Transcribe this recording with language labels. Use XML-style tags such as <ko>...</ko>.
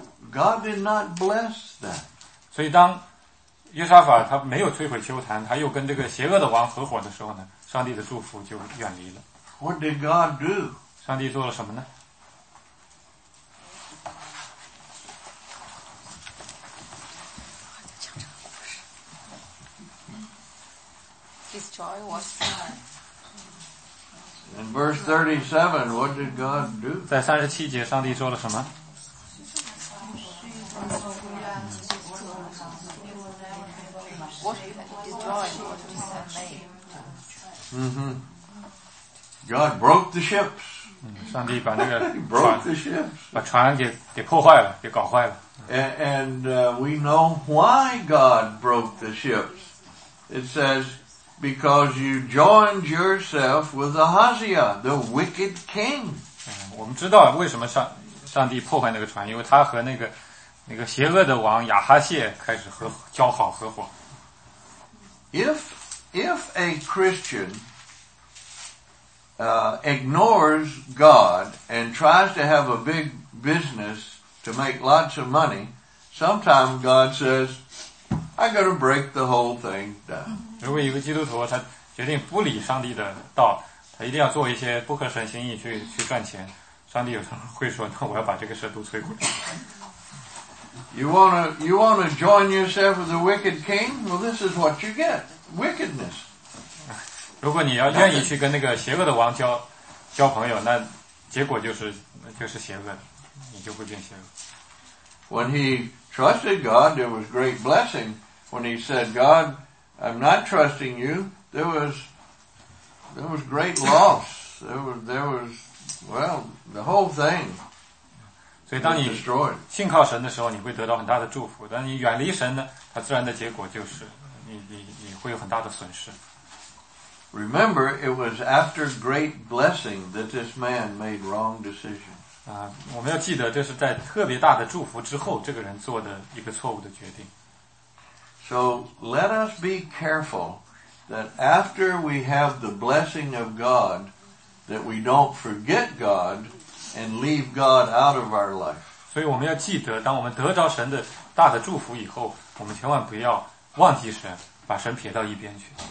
<en>God did not bless that.</en> <zh>所以当约沙法他没有摧毁丘坛，他又跟这个邪恶的王合伙的时候呢，上帝的祝福就远离了。</zh> <en>What did God do?</en> <zh>上帝做了什么呢？</zh> <en>His joy was fine. In verse 37, what did God do?</en> <zh>在三十七节，上帝做了什么？</zh> <en>God broke the ships.</en> <zh>上帝把那个</zh> <en>broke the ships.</en> <zh>把船给破坏了，给搞坏了。</zh> <en>And we know why God broke the ships. It says, because you joined yourself with Ahaziah, the wicked king.</en> <zh>我们知道为什么上帝破坏那个船，因为他和那个邪恶的王亚哈谢开始交好合伙。</zh> <en>If a Christian, ignores God and tries to have a big business to make lots of money, sometimes God says, I gotta break the whole thing down.</en> <zh>如果一个基督徒他决定不理上帝的道，他一定要做一些不合神心意去赚钱，上帝有时候会说，那我要把这个事都摧毁。</zh> <en>You wanna join yourself with the wicked king? Well, this is what you get. Wickedness.</en> <zh>如果你要愿意去跟那个邪恶的王交朋友，那结果就是邪恶，你就会变邪恶。</zh> <en>When he trusted God, there was great blessing. When he said, God, I'm not trusting you, there was great loss. There was the whole thing.</en> <zh>所以当你信靠神的时候，你会得到很大的祝福。但你远离神呢，它自然的结果就是你会有很大的损失。</zh> <en>Remember, it was after great blessing that this man made wrong decisions.</en> <zh>我们要记得，这是在特别大的祝福之后，这个人做的一个错误的决定。</zh> <en>So let us be careful that after we have the blessing of God, that we don't forget God and leave God out of our life.</en> <zh>所以我们要记得，当我们得着神的大的祝福以后，我们千万不要忘记神，把神撇到一边去。</zh>